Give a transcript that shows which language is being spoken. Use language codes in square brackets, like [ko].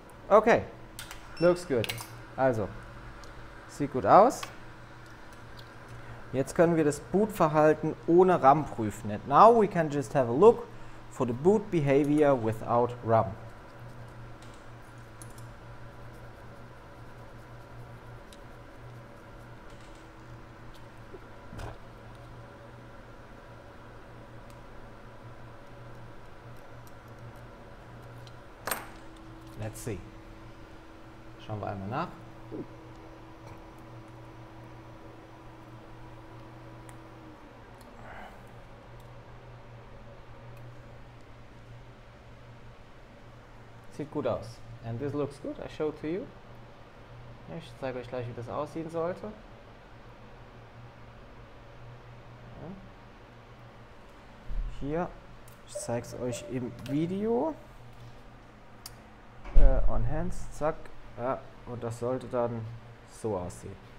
[en] Okay, looks good. [de] Also, sieht gut aus. Jetzt können wir das Bootverhalten ohne RAM prüfen. [en] And now we can just have a look for the boot behavior without RAM. Let's see. [de] Schauen wir einmal nach. Sieht gut aus. [en] And this looks good, I show to you. [de] Ich zeige euch gleich, wie das aussehen sollte. Hier, ich zeige es euch im Video. [en] On hands, [de] zack. Ja, und das sollte dann so aussehen.